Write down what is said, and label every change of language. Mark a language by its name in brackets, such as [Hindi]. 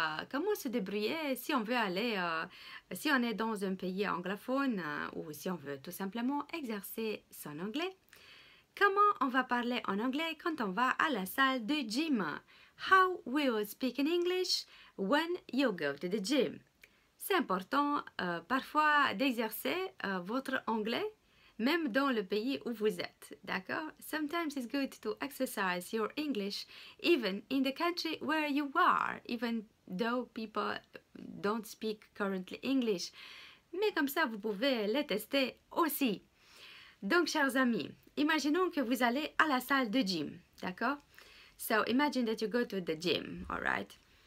[French] Comment se débrouiller si on veut aller, si on est dans un pays anglophone ou si on veut tout simplement exercer son anglais. Comment on va parler en anglais quand on va à la salle de gym? [English] How we will speak in English when you go to the gym? [French] C'est important parfois d'exercer votre anglais même dans le pays où vous êtes, d'accord? [English] Sometimes it's good to exercise your English even in the country where you are, even though people don't speak currently English. [French] Mais comme ça, vous pouvez les tester aussi. Donc, chers amis, imaginons que vous allez à la salle de gym, d'accord? [English] So, imagine that you go to the gym, all right?